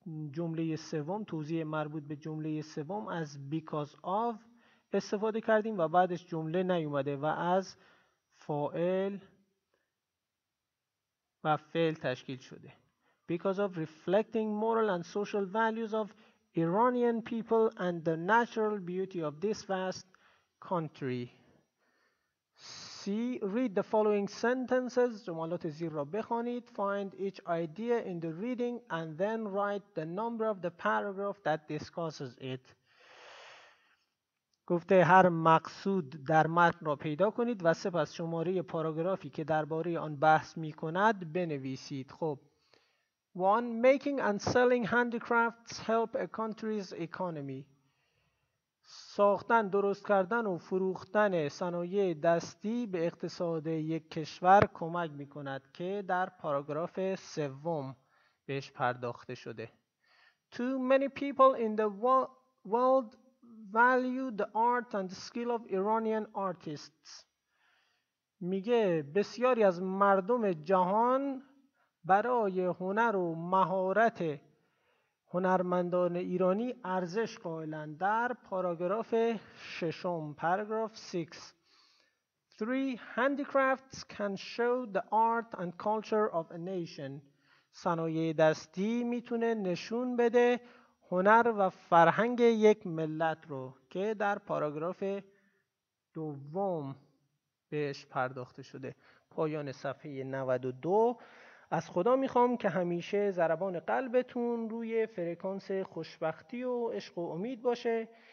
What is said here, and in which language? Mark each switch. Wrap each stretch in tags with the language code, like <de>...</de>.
<fa>جمله سوم، توضیح مربوط به جمله سوم از because of استفاده کردیم و بعدش جمله نیومده و از فاعل و فعل تشکیل شده.</fa> <en>Because of reflecting moral and social values of Iranian people and the natural beauty of this vast country. See, read the following sentences.</en> <fa>جملات زیر را بخوانید.</fa> <en>Find each idea in the reading and then write the number of the paragraph that discusses it.</en> <fa>گفته هر مقصود در متن را پیدا کنید و سپس شماره پاراگرافی که درباره آن بحث می کند بنویسید. خب.</fa> <en>One, making and selling handicrafts help a country's economy.</en> <fa>ساختن، درست کردن و فروختن صنایع دستی به اقتصاد یک کشور کمک می کند که در پاراگراف سوم بهش پرداخته شده.</fa> <en>Too many people in the world value the art and skill of Iranian artists.</en> <fa>میگه بسیاری از مردم جهان برای هنر و مهارت هنرمندان ایرانی ارزش قائلند. در پاراگراف ششم، پاراگراف 6. 3.</fa> <en>Handicrafts can show the art and culture of a nation.</en> <fa>صنایع دستی میتونه نشون بده هنر و فرهنگ یک ملت رو که در پاراگراف دوم بهش پرداخته شده. پایان صفحه 92. از خدا میخوام که همیشه ضربان قلبتون روی فرکانس خوشبختی و عشق و امید باشه.</fa>